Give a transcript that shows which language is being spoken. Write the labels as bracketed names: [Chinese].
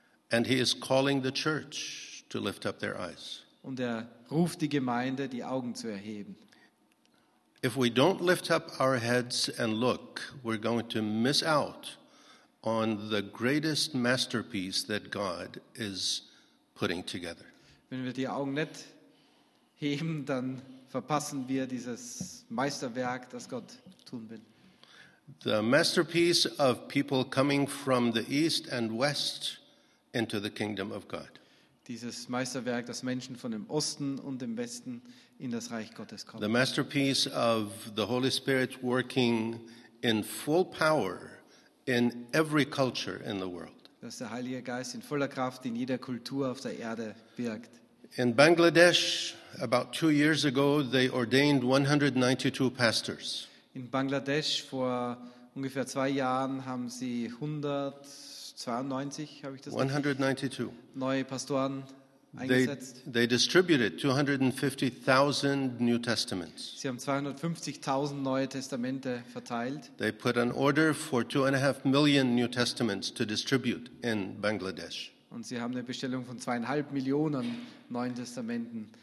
[English] And he is calling the church to lift up their eyes. [German] Und er ruft die Gemeinde, die Augen zu erheben. [English] If we don't lift up our heads and look, we're going to miss out on the greatest masterpiece that God is putting together. [German] Wenn wir die Augen nicht heben, dann verpassen wir dieses Meisterwerk, das Gott tun will. [English] The masterpiece of people coming from the east and west into the kingdom of God. [German] Dieses Meisterwerk, dass Menschen von dem Osten und dem Westen in das Reich Gottes kommen. [English] The masterpiece of the Holy Spirit working in full power in every culture in the world. [German] Dass der Heilige Geist in voller Kraft in jeder Kultur auf der Erde wirkt. [English] In Bangladesch, about 2 years ago, they ordained 192 pastors. [German] In Bangladesch vor ungefähr 2 Jahren haben sie 192, habe ich das gesagt, neue Pastoren eingesetzt. [English] They distributed 250,000 New Testaments. [German] Sie haben 250,000 neue Testamente verteilt. [English] They put an order for 2.5 million New Testaments to distribute in Bangladesh. [German] Und sie haben eine Bestellung von 2.5 Millionen neuen Testamenten.